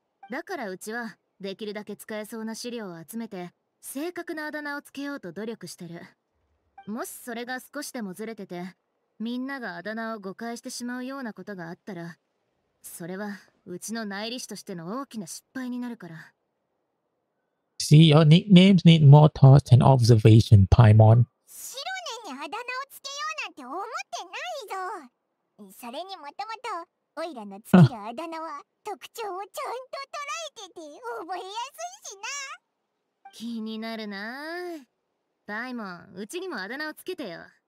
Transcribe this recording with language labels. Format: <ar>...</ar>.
<ja>だからうちは、できるだけ使えそうな資料を集めて、正確なあだ名をつけようと努力してる。もしそれが少しでもずれてて、みんながあだ名を誤解してしまうようなことがあったら、それはうちの内理師としての大きな失敗になるから。</ja> <en>See, your nicknames need more thought and observation, Paimon.</en> <ja>シロネにあだ名をつけようなんて思ってないぞ。それにもともと、オイラのつけるあだ名は特徴をちゃんと捉えてて覚えやすいしな。気になるな。パイモン、うちにもあだ名をつけてよ。</ja>